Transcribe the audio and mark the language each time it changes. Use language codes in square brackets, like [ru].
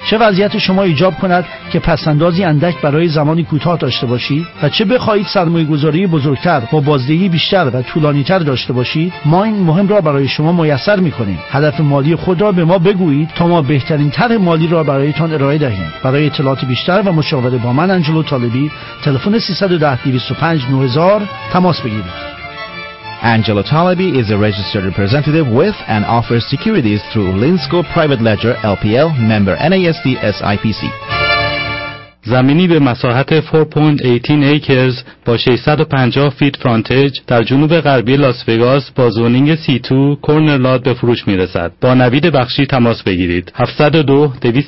[fa] چه وضعیت شما ایجاب کند که پسندازی اندک برای زمانی کوتاه داشته باشید و چه بخواهید سرمایه گذاری بزرگتر با بازدهی بیشتر و طولانی تر داشته باشید، ما این مهم را برای شما میسر میکنیم. هدف مالی خود را به ما بگویید تا ما بهترین طرح مالی را برایتان ارائه دهیم. برای اطلاعات بیشتر و مشاوره با من آنجلو طالبی تلفن 310-205-9000 تماس بگیرید. [en] Angelo Talabi is a registered representative with and offers securities through Linsco Private Ledger LPL member NASD SIPC. [fa] زمینی به مساحت 4.18 acres با 650 [en] feet frontage [fa] در جنوب غربی لاس وگاس با زونینگ C2 کورنر لات به فروش می رسد. با نوید بخشی تماس بگیرید. 702